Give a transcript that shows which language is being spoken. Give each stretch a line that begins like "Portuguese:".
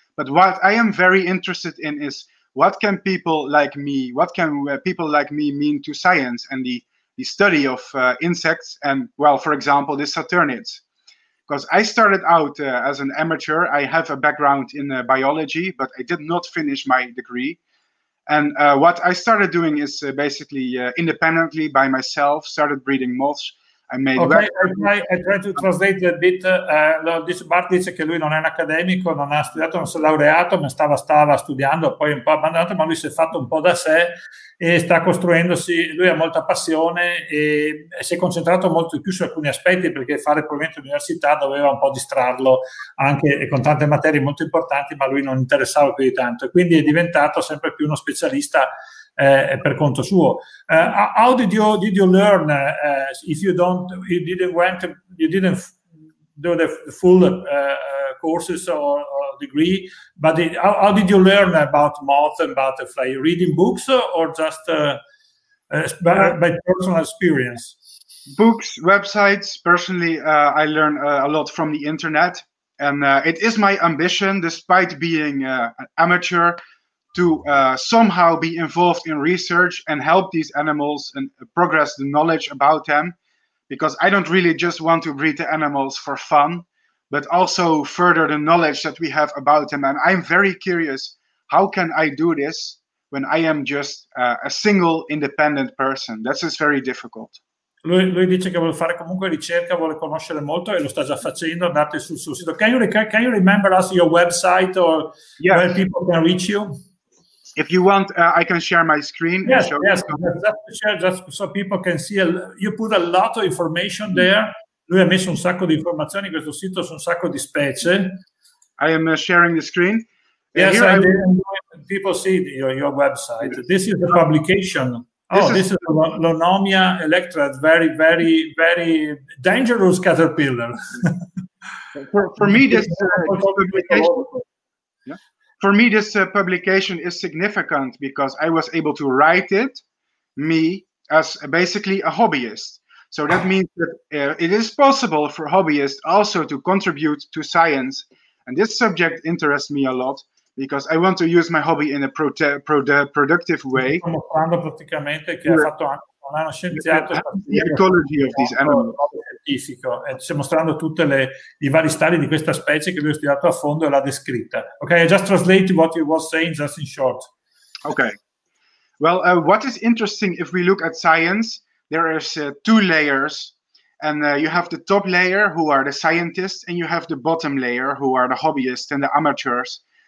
English: But what I am very interested in is what can people like me mean to science and the study of insects and, well, for example, the saturnids. Because I started out as an amateur. I have a background in biology, but I did not finish my degree. And what I started doing is basically independently by myself, started breeding moths. I try to translate a bit.
Italian: Bart dice che lui non è un accademico, non ha studiato, non si è laureato, ma stava studiando, poi un po' abbandonato, ma lui si è fatto un po' da sé e sta costruendosi. Lui ha molta passione e si è concentrato molto più su alcuni aspetti, perché fare probabilmente l'università doveva un po' distrarlo anche con tante materie molto importanti, ma lui non interessava più di tanto. Quindi è diventato sempre più uno specialista per conto suo.
English: How did you learn if you didn't do the full courses or degree, but how did you learn about moths and butterfly? Reading books or just by personal experience? Books, websites. Personally, I learn a lot from the internet, and it is my ambition, despite being an amateur, to somehow be involved in research and help these animals and progress the knowledge about them. Because I don't really just want to breed the animals for fun, but also further the knowledge that we have about them. And I'm very curious, how can I do this when I am just a single independent person? This is very difficult.
Italian: Lui dice che vuole fare comunque ricerca, vuole conoscere molto e lo sta già facendo. Andate sul suo sito.
English: Can you remember us your website or yes, where people can reach you? If you want, I can share my screen. Yes, and show yes, just so people can see. You put a lot of information there.
Italian: Lui ha messo un sacco di informazioni in questo sito su un sacco di specie.
English: I am sharing the screen. Yes, people see your website. This is the publication. This is the Lonomia electrod, very, very, very dangerous caterpillar. For me, this is a publication. For me, this publication is significant because I was able to write it, me, as basically a hobbyist. So that means that it is possible for hobbyists also to contribute to science. And this subject interests me a lot because I want to use my hobby in a productive way. The ecology of these animals.
Italian: E sto mostrando tutte i vari stadi di questa specie che lui ha studiato a fondo e l'ha descritta.
English: Okay, I just translate what you were saying just in short. Okay. Well, what is interesting, if we look at science, there is two layers, and you have the top layer who are the scientists, and you have the bottom layer who are the hobbyists and the amateurs.